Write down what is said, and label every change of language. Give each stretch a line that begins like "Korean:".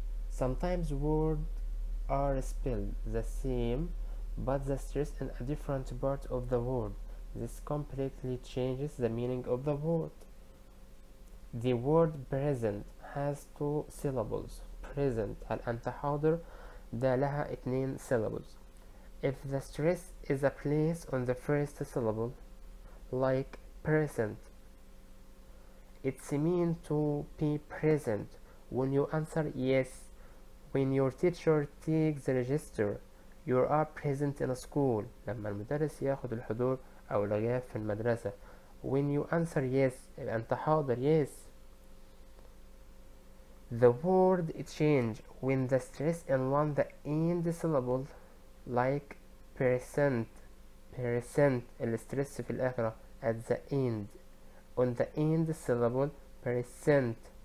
English: Sometimes words are spelled the same, but the stress in a different part of the word. This completely changes the meaning of the word. The word present has two syllables. Present.
Arabic: هل أنت حاضر؟ ده لها اتنين syllables.
English: If the stress is a place on the first syllable, like present, it's mean to be present. When you answer yes, when your teacher takes the register, you are present in a school.
Arabic: لما المدرس ياخد الحضور أو الغياب في المدرسة.
English: When you answer yes,
Arabic: أنت حاضر
English: yes. The word change when the stress in one the end syllable, like percent, percent,
Arabic: الستريس في الآخرة
English: at the end, on the end syllable, percent.